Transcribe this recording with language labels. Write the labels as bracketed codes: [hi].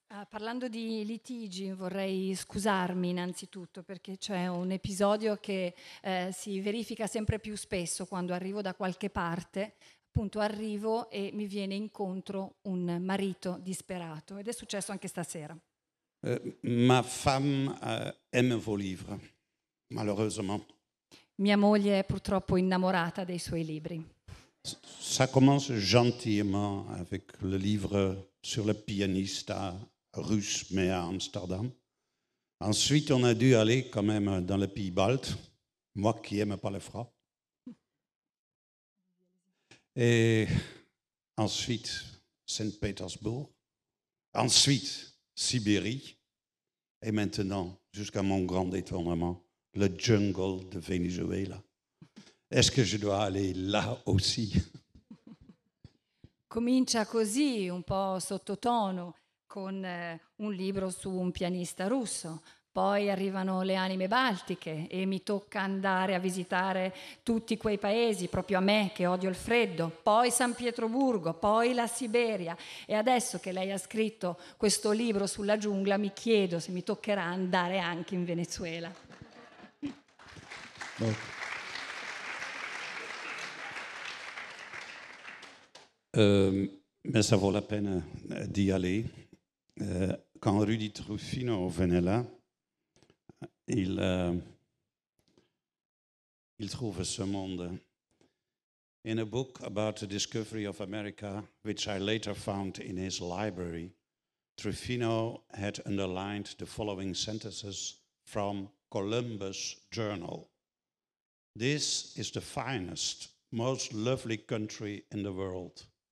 [it] Parlando di litigi, vorrei scusarmi innanzitutto perché c'è un episodio che si verifica sempre più spesso quando arrivo da qualche parte. Appunto, arrivo e mi viene incontro un marito disperato, ed è successo anche stasera. [fr] Ma femme aime vos livres, malheureusement. [it] Mia moglie è purtroppo innamorata dei suoi libri. [fr] Ça commence gentiment avec le livre sur le pianista russe, mais à Amsterdam. Ensuite, on a dû aller quand même dans le pays balte, moi qui aime pas le froid. Et ensuite, Saint-Pétersbourg. Ensuite, Sibérie. Et maintenant, jusqu'à mon grand étonnement, le jungle de Venezuela. Est-ce que je dois aller là aussi? [it] Comincia così, un po' sottotono, con un libro su un pianista russo. Poi arrivano le anime baltiche e mi tocca andare a visitare tutti quei paesi, proprio a me che odio il freddo, poi San Pietroburgo, poi la Siberia. E adesso che lei ha scritto questo libro sulla giungla, mi chiedo se mi toccherà andare anche in Venezuela. [fr] Ma ça vaut la peine d'y aller. Quand Rudy Truffino venait là, il trouve ce monde. [en] In a book about the discovery of America, which I later found in his library, Truffino had underlined the following sentences from Columbus Journal. This is the finest, most lovely country in the world.